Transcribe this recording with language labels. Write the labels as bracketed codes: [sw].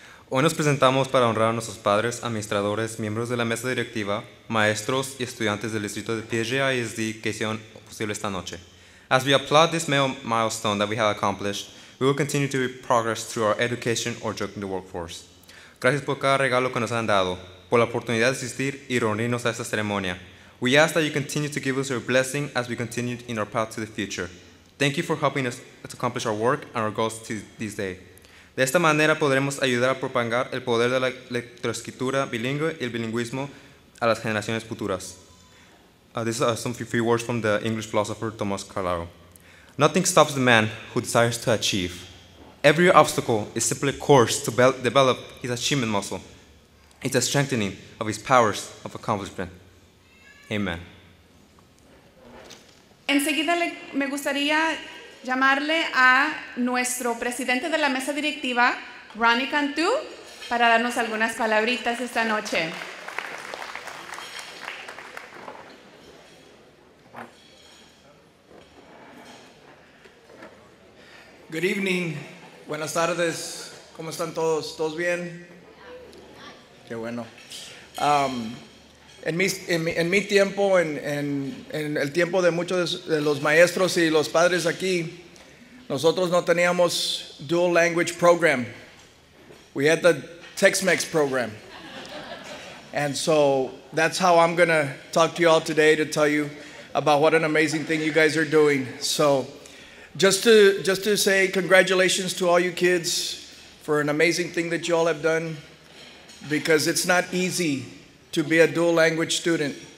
[es] Hoy nos presentamos para honrar a nuestros padres, administradores, miembros de la mesa directiva, maestros y estudiantes del distrito de PSJ-ISD que hicieron posible esta noche. [en] As we applaud this milestone that we have accomplished, we will continue to progress through our education or joining the workforce. [es] Gracias por cada regalo que nos han dado, por la oportunidad de asistir y reunirnos a esta ceremonia. [en] We ask that you continue to give us your blessing as we continue in our path to the future. Thank you for helping us to accomplish our work and our goals to this day. [es] De esta manera podremos ayudar a propagar el poder de la lectoescritura bilingüe y el bilingüismo a las generaciones futuras. [en] These are some few words from the English philosopher Tomás Carlyle. Nothing stops the man who desires to achieve. Every obstacle is simply a course to develop his achievement muscle. It's a strengthening of his powers of accomplishment. Amen. [es] Enseguida me gustaría llamarle a nuestro presidente de la mesa directiva, Ronnie Cantu, para darnos algunas palabritas esta noche. [en] Good evening. [es] Buenas tardes. ¿Cómo están todos? ¿Todos bien? Qué bueno. En mi tiempo, en el tiempo de muchos de los maestros y los padres aquí, nosotros no teníamos dual language program. [en] We had the Tex-Mex program. And so that's how I'm going to talk to you all today to tell you about what an amazing thing you guys are doing. So just to say congratulations to all you kids for an amazing thing that you all have done, because it's not easy to be a dual language student.